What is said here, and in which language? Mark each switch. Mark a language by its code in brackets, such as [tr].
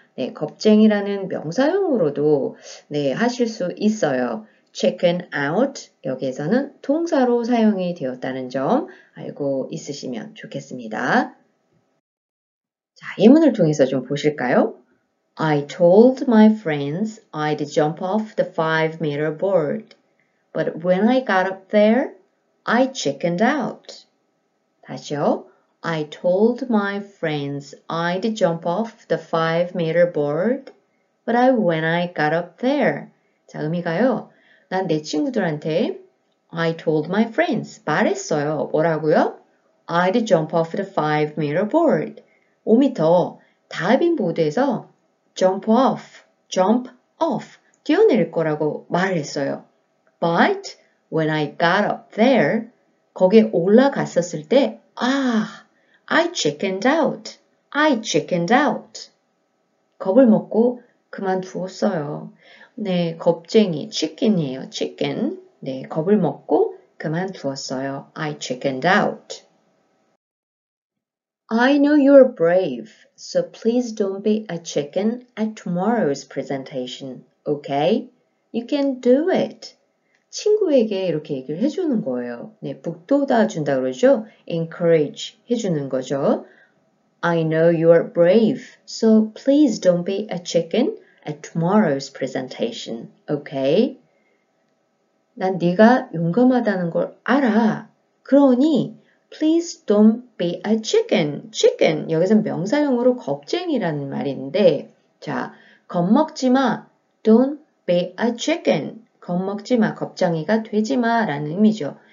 [ko] 네, 겁쟁이라는 명사형으로도 네, 하실 수 있어요. chicken out, 여기에서는 동사로 사용이 되었다는 점 알고 있으시면 좋겠습니다. 자, 예문을 통해서 좀 보실까요? [en] I told my friends I'd jump off the 5-meter board. But when I got up there, I chickened out. [ko] 다시요. [en] I told my friends I'd jump off the 5-meter board, but when I got up there. [ko] 자, 의미가요. 난 내 친구들한테 [en] I told my friends [ko] 말했어요. 뭐라고요? [en] I'd jump off the 5-meter board. [ko] 5m 다이빙 보드에서 [en] jump off [ko] 뛰어내릴 거라고 말했어요. [en] But when I got up there, [ko] 거기에 올라갔었을 때, 아, [en] I chickened out. [ko] 겁을 먹고 그만두었어요. 네, 겁쟁이, chicken이에요, chicken. 네, 겁을 먹고 그만두었어요. [en] I chickened out. I know you're brave, so please don't be a chicken at tomorrow's presentation, okay? You can do it. [ko] 친구에게 이렇게 얘기를 해주는 거예요. 네, 북돋아 준다 그러죠? Encourage 해주는 거죠. [en] I know you're brave, so please don't be a chicken at tomorrow's presentation, okay? [ko] 난 네가 용감하다는 걸 알아. 그러니 [en] please don't be a chicken. [ko] Chicken, 여기서는 명사형으로 겁쟁이라는 말인데 자, 겁먹지 마. [en] Don't be a chicken. [ko] 겁먹지 마, 겁쟁이가 되지 마라는 의미죠.